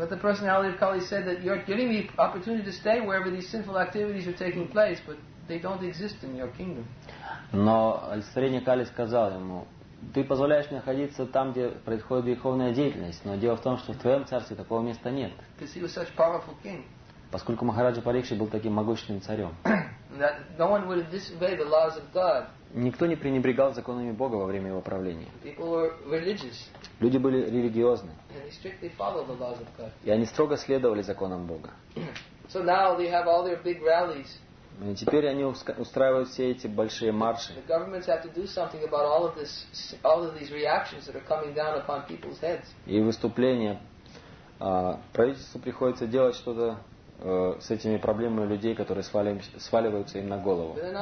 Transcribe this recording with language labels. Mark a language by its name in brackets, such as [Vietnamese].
[English] But the personality of Kali said that you're giving me opportunity to stay wherever these sinful activities are taking place, but they don't exist in your kingdom. [Russian] Но олицетворение Кали сказал ему: ты позволяешь мне находиться там, где происходит греховная деятельность, но дело в том, что в твоем царстве такого места нет. [English] Because he was such a powerful king. [Russian] Поскольку Махараджа Парикшит был таким могущественным царем. [English] That no one would disobey the laws of God. [Russian] Никто не пренебрегал законами Бога во время его правления. [English] People were religious. [Russian] Люди были религиозны. [English] And they strictly followed the laws of God. [Russian] И они строго следовали законам Бога. [English] So now they have all their big rallies. [Russian] И теперь они устраивают все эти большие марши. [English] The governments have to do something about all of this, all of these reactions that are coming down upon people's heads. [Russian] И выступления. Правительству приходится делать что-то с этими проблемами людей, которые сваливаются им на голову.